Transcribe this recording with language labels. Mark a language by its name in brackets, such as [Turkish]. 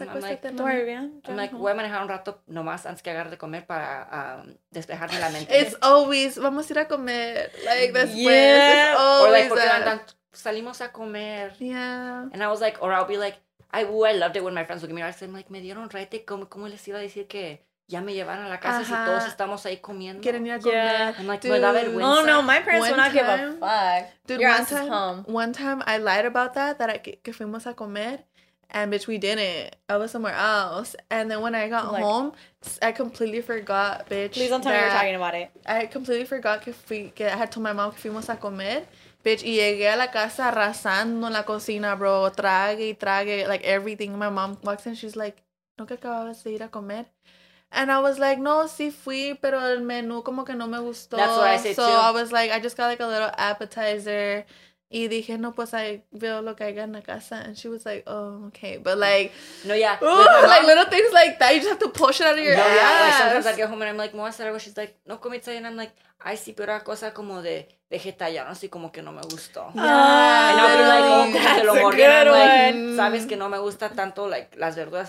[English] I'm like, [Spanish] voy a manejar un rato nomás antes que agarre de comer para despejarme la mente. [English] It's always, [Spanish] vamos a ir a comer. [English] Like, después. Yeah. It's always or like, [Spanish] porque salimos a comer. [English] Yeah. And I was like, or I'll be like, I loved it when my friends would give me rice. [Spanish] I'm like, me dieron rete. ¿Cómo les iba a decir que ya me llevaron a la casa si todos estamos ahí comiendo? ¿Quieren ir a comer? Yeah. [English] I'm like, dude, me da vergüenza. Oh, no, my parents will not give a fuck. Dude, your ass is home. One time I lied about that [Spanish] que fuimos a comer. [English] And bitch, we didn't. I was somewhere else. And then when I got home, I completely forgot, bitch. Please don't tell me you're talking about it. I completely forgot que I had told my mom [Spanish] que fuimos a comer. [English] Bitch, [Spanish] y llegué a la casa arrasando en la cocina, bro. Trague y trague, [English] like everything. My mom walks in, she's like, [Spanish] ¿no que acababas de ir a comer? [English] And I was like, [Spanish] no, sí fui, pero el menú como que no me gustó. [English] That's what I said so too. I was like, I just got like a little appetizer. Y dije, no, pues, I [Spanish] veo lo que haya en la casa. [English] And she was like, oh, okay. But, like, no, yeah. Ooh, mom, like, little things like that. You just have to pull shit out of your ass. Yeah, like, sometimes I'd get home and I'm like, [Spanish] ¿me voy a hacer algo? [English] She's like, [Spanish] no comiste. [English] And I'm like, [Spanish] ay, sí, pero era cosa como de vegetariano. Así como que no me gustó. [English] Yeah. And I'll be like, oh, [Spanish] como que lo mordieron. [English] I'm like, [Spanish] sabes que no me gusta tanto, like, las verduras.